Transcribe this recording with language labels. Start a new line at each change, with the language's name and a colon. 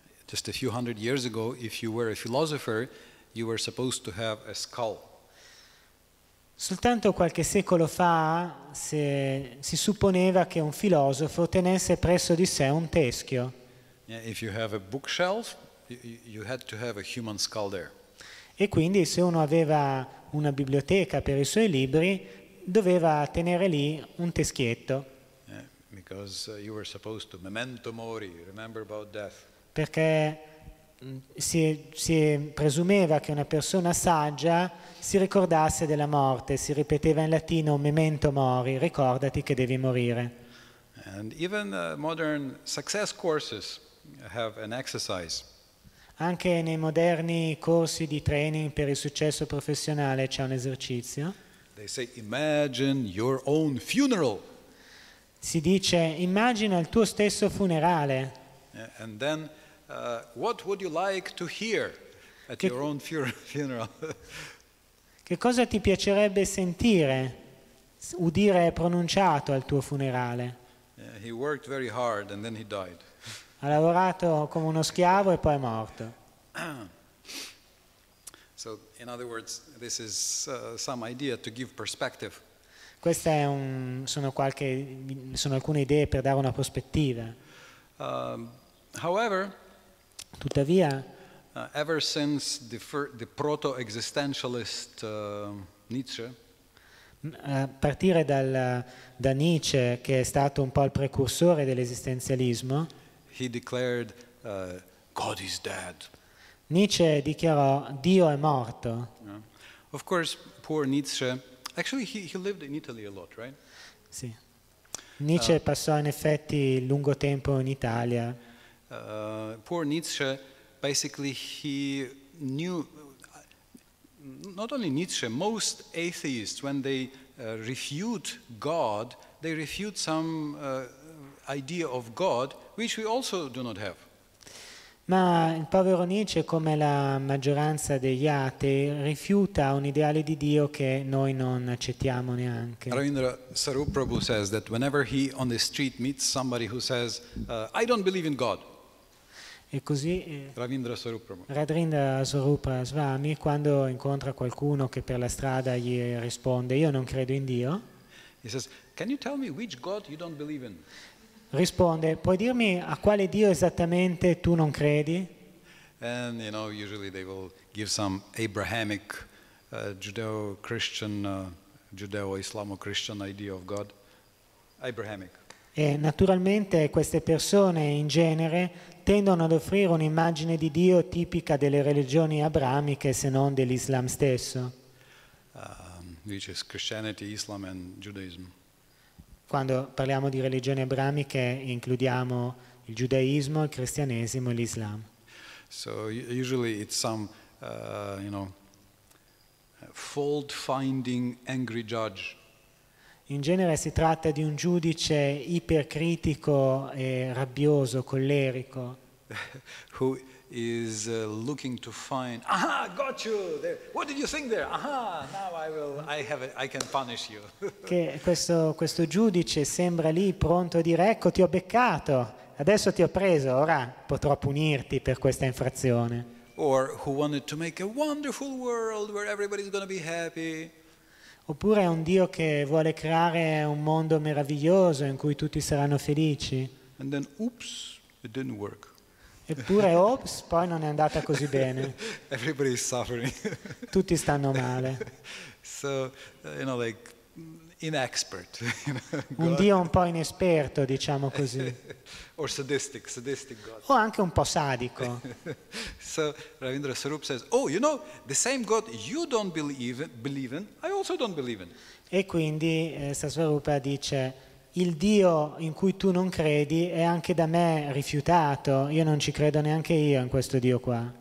English: Just a few hundred years ago, if you were a philosopher, you were supposed to have a skull.
Italian: Soltanto qualche secolo fa si supponeva che un filosofo tenesse presso di sé un teschio.
English: Yeah, if you have a bookshelf, you had to have a human skull there.
Italian: E quindi se uno aveva una biblioteca per i suoi libri, doveva tenere lì un teschietto.
English: Yeah, because you were supposed to memento mori, remember about death.
Italian: Perché si presumeva che una persona saggia si ricordasse della morte, si ripeteva in latino memento mori, ricordati che devi morire.
English: And even modern success courses have an exercise.
Italian: Anche nei moderni corsi di training per il successo professionale c'è un esercizio.
English: They say, imagine your own funeral.
Italian: Si dice, immagina il tuo stesso funerale.
English: And then, what would you like to hear at your own funeral?
Italian: Che cosa ti piacerebbe sentire, udire pronunciato al tuo funerale?
English: Yeah, he worked very hard and then he died.
Italian: Ha lavorato come uno schiavo e poi è morto.
English: So, in other words, this is some idea to give perspective.
Italian: Queste sono alcune idee per dare una prospettiva.
English: However,
Italian: tuttavia,
English: ever since the proto-existentialist Nietzsche,
Italian: a partire da Nietzsche, che è stato un po' il precursore dell'esistenzialismo,
English: he declared, God is dead.
Italian: Nietzsche dichiarò Dio è morto.
English: Yeah. Of course, poor Nietzsche. Actually, he lived in Italy a lot, right?
Italian: Sì. Nietzsche passò in effetti lungo tempo in Italia.
English: Poor Nietzsche, basically he knew, not only Nietzsche, most atheists, when they refute God, they refute some idea of God, which we also do not have.
Italian: Ma il povero Nietzsche, come la maggioranza degli atei, rifiuta un ideale di Dio che noi non accettiamo neanche.
English: Ravindra Sarup Prabhu says that whenever he on the street meets somebody who says, I don't believe in God.
Italian: E così Ravindra Sarup Prabhu. Ravindra Sarup Swami, quando incontra qualcuno che per la strada gli risponde, io non credo in Dio.
English: He says, can you tell me which God you don't believe in?
Italian: Risponde, puoi dirmi a quale Dio esattamente tu non credi?
English: And you know, usually they will give some Abrahamic Judeo-Christian Judeo-Islamo-Christian idea of God. Abrahamic.
Italian: E naturalmente queste persone in genere tendono ad offrire un'immagine di Dio tipica delle religioni abramiche, se non dell'Islam stesso.
English: Which is Christianity, Islam and Judaism.
Italian: Quando parliamo di religioni abramiche includiamo il giudaismo, il cristianesimo e l'islam.
English: So usually it's some you know, fault finding angry judge.
Italian: In genere si tratta di un giudice ipercritico e rabbioso, collerico.
English: Who is looking to find, aha, got you there. What did you think there? Aha, now I can punish you.
Italian: Che questo giudice sembra lì pronto a dire, ecco, ti ho beccato, adesso ti ho preso, ora potrò punirti per questa infrazione.
English: Or who wanted to make a wonderful world where everybody's going to be happy.
Italian: Oppure è un Dio che vuole creare un mondo meraviglioso in cui tutti saranno felici.
English: And then, oops, it didn't work.
Italian: Eppure, ops, poi non è andata così bene.
English: Everybody is suffering.
Italian: Tutti stanno male.
English: So, you know, like, inexpert.
Italian: Un Dio un po' inesperto, diciamo così.
English: Or sadistic God.
Italian: O anche un po' sadico.
English: So, Ravindra Sarup says, oh, you know, the same God you don't believe in, I also don't believe in.
Italian: E quindi Sasvarupa dice, il Dio in cui tu non credi è anche da me rifiutato, io non ci credo neanche io in questo Dio qua.